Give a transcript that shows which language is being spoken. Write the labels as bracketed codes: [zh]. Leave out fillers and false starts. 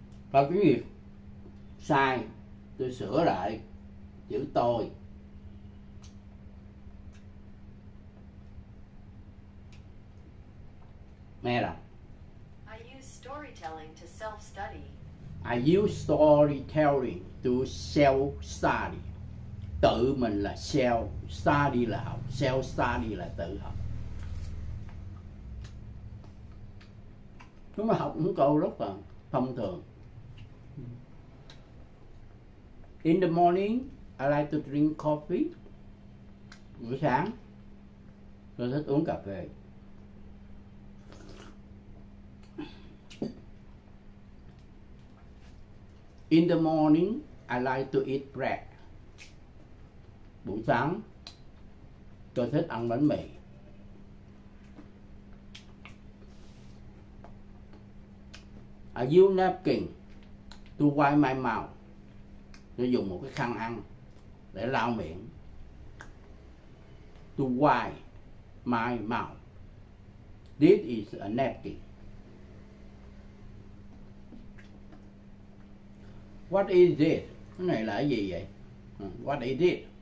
[vi] Và cái gì? Sai. Tôi sửa lại chữ tôi. Nghe đọc. [en] I use storytelling to self-study. I use storytelling to self-study. [vi] Tự mình là self, study là học, self-study là tự học. Chúng ta học những câu rất là thông thường. [en] In the morning, I like to drink coffee. [vi] Buổi sáng, tôi thích uống cà phê. [en] In the morning, I like to eat bread. [vi] Buổi sáng, tôi thích ăn bánh mì. [en] I use napkin to wipe my mouth. [vi] Tôi dùng một cái khăn ăn để lau miệng. [en] To wipe my mouth. This is a napkin. What is this? [vi] Cái này là cái gì vậy? What is this?